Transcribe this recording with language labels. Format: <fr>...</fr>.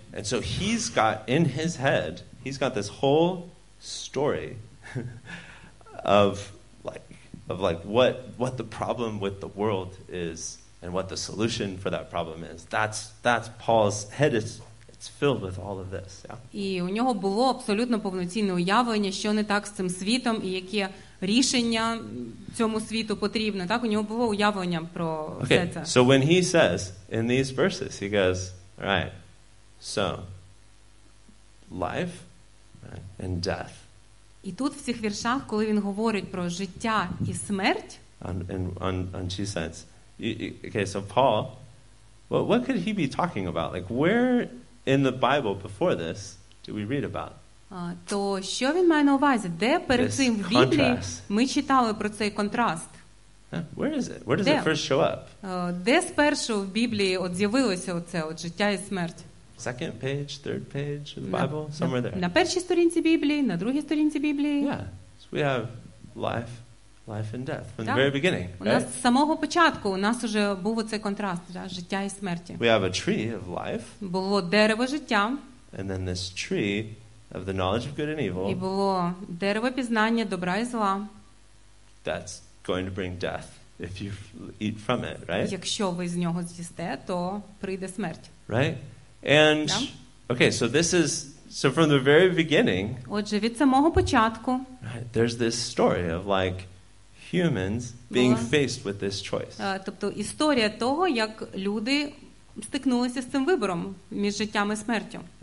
<en>And so he's got in his head, he's got this whole story of what the problem with the world is and what the solution for that problem is. That's Paul's head is it's filled with all of this. Yeah.</en> <uk>І у нього було абсолютно повноцінне уявлення, що не так з цим світом і які рішення цьому світу потрібно. Так, у нього було уявлення про</uk> <en>okay.</en> <uk>все це.</uk> <en>So when he says in these verses, he goes, "All right. So, life and death,</en> <uk>І тут в цих віршах, коли він говорить про життя і смерть,</uk> <en>and she says, okay, so Paul, well, what could he be talking about? Like, where in the Bible before this do we read about?</en> <uk>То що він має на увазі? Де перед цим в Біблії ми читали про цей контраст?</uk> <en>Where is it? Where does it first show up?</en> <uk>Де спершу в Біблії от з'явилося оце от життя і смерть?</uk> <en>Second page, third page of the Bible, somewhere there.</en> <uk>На першій сторінці Біблії, на другій сторінці Біблії.</uk> <en>Yeah. So we have life and death from the very beginning.</en> <uk>У нас з самого початку у нас уже був оцей контраст, да, життя і смерті.</uk> <en>We have a tree of life.</en> <uk>Було дерево життя.</uk> <en>And then this tree of the knowledge of good and evil.</en> <uk>І було дерево пізнання добра і зла.</uk> <en>That's going to bring death if you eat from it, right?</en> <uk>Якщо ви з нього з'їсте, то прийде смерть.</uk> <en>Right? And okay, so this is so from the very beginning.</en> <uk>Отже, від самого початку.</uk> <en>Right, there's this story of like humans being faced with this choice.</en> <uk>Тобто історія того, як люди стикнулися з цим вибором між життям і смертю.</uk>